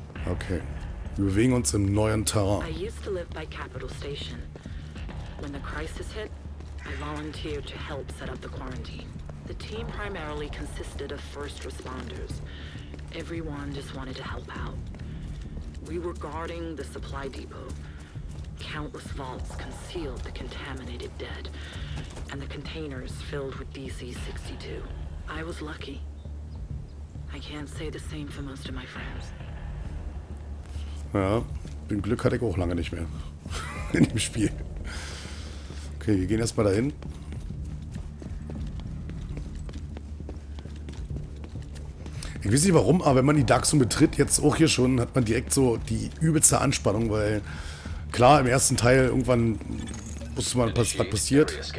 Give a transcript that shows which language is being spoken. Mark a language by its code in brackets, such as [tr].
[de] Okay, wir bewegen uns im neuen Terrain. [en] I used to live by Capital Station. When the crisis hit, I volunteered to help set up the quarantine. The team primarily consisted of first responders. Everyone just wanted to help out. We were guarding the supply depot. Countless vaults concealed the contaminated dead. And the containers filled with DC-62. I was lucky. I can't say the same for most of my friends. [de] Ja, den Glück hatte ich auch lange nicht mehr. In dem Spiel. Okay, wir gehen erstmal dahin. Ich weiß nicht warum, aber wenn man die Dark Zone betritt, jetzt auch hier schon, hat man direkt so die übelste Anspannung, weil klar, im ersten Teil irgendwann wusste man, was passiert.